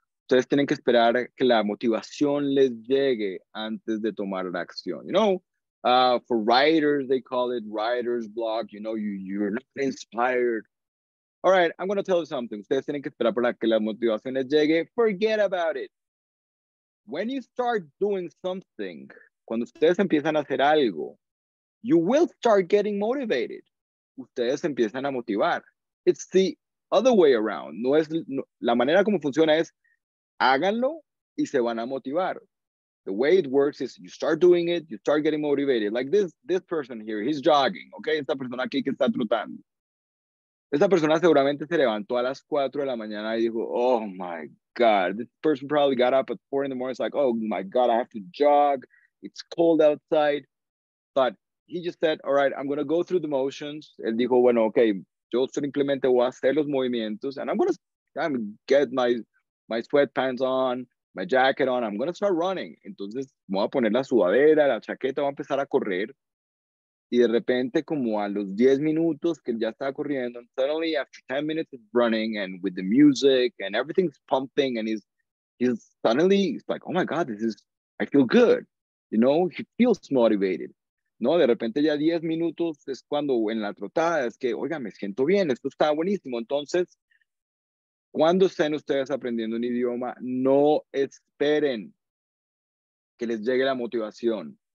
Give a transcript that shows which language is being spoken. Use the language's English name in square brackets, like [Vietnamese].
[Spanish] Ustedes tienen que esperar que la motivación les llegue antes de tomar la acción. [English] You know, for writers, they call it writer's block. You know, you're not inspired. All right, I'm going to tell you something. [Spanish] Ustedes tienen que esperar para que la motivación les llegue. [English] Forget about it. When you start doing something, [Spanish] cuando ustedes empiezan a hacer algo, [English] you will start getting motivated. [Spanish] Ustedes empiezan a motivar. [English] It's the other way around. [Spanish] No es, no, la manera como funciona es, háganlo y se van a motivar. [English] The way it works is you start doing it, you start getting motivated. Like this person here, he's jogging, okay? [Spanish] Esta persona aquí que está trotando. Esta persona seguramente se levantó a las 4 de la mañana y dijo, [English] oh my God. This person probably got up at 4 in the morning. It's like, oh my God, I have to jog. It's cold outside. But he just said, all right, I'm going to go through the motions. [Spanish] Él dijo, bueno, okay, yo simplemente voy a hacer los movimientos [English] and I'm going to get my sweatpants on, my jacket on. I'm going to start running. [Spanish] Entonces, voy a poner la sudadera, la chaqueta, voy a empezar a correr. Y de repente, como a los 10 minutos que ya estaba corriendo, [English] and suddenly after 10 minutes of running and with the music and everything's pumping and he's suddenly, it's like, oh my God, I feel good. You know, he feels motivated. [Spanish] No, de repente ya 10 minutos es cuando en la trotada es que, oiga, me siento bien, esto está buenísimo. Entonces, cuando estén ustedes aprendiendo un idioma, no esperen que les llegue la motivación.